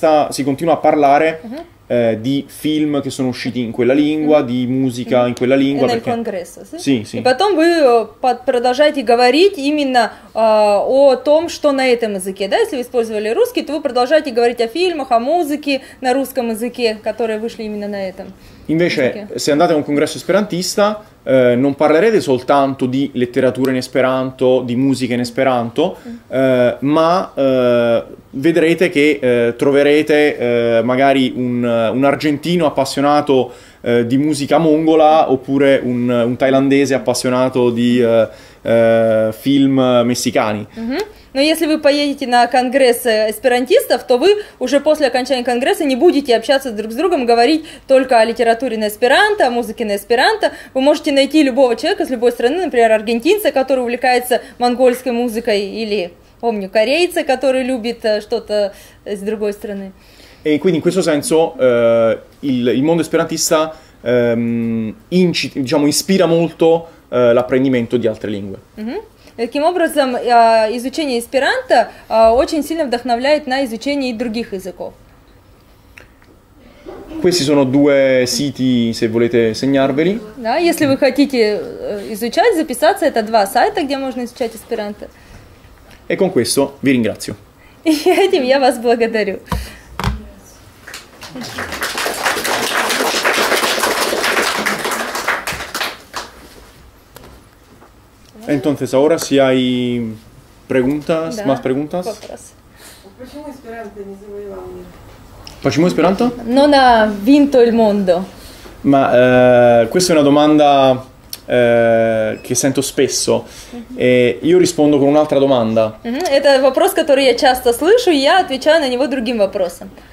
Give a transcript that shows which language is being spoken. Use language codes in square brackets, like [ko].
[it] Si continua a parlare di film che sono usciti in quella lingua, di musica in quella lingua. Nel congresso, sì? Sì, sì. [ru] E потом вы продолжаете говорить именно о том, что на этом языке, да? Если вы использовали русский, то вы продолжаете говорить о фильмах, о музыке на русском языке, которые вышли именно на этом. [it] Invece, se andate a un congresso esperantista, non parlerete soltanto di letteratura in esperanto, di musica in esperanto, ma vedrete che troverete magari un argentino appassionato di musica mongola oppure un thailandese appassionato di film messicani. [ru] Но если вы поедете на конгресс эсперантистов, то вы уже после окончания конгресса не будете общаться друг с другом, говорить только о литературе на эсперанто, о музыке на эсперанто. Вы можете найти любого человека с любой страны, например, аргентинца, который увлекается монгольской музыкой, или, помню, корейца, который любит что-то с другой страны. [it] E quindi in questo senso il mondo esperantista ispira molto l'apprendimento di altre lingue. [ru] Таким образом, изучение эсперанто очень сильно вдохновляет на изучение и других языков. [it] Questi sono due siti, se volete segnarveli. [ru] Да, если вы хотите изучать, записаться, это два сайта, где можно изучать эсперанто. [it] E con questo vi ringrazio. [ru] И этим я вас благодарю. [es] Entonces, ahora si hay preguntas, [ru] да, [es] más preguntas. [ru] Почему эсперанто не завоевал мир? Почему эсперанто? [it] Ma questa è una domanda che sento spesso. E io rispondo con un'altra domanda. [ru] Это вопрос, который я часто слышу, и я отвечаю на него другим вопросом.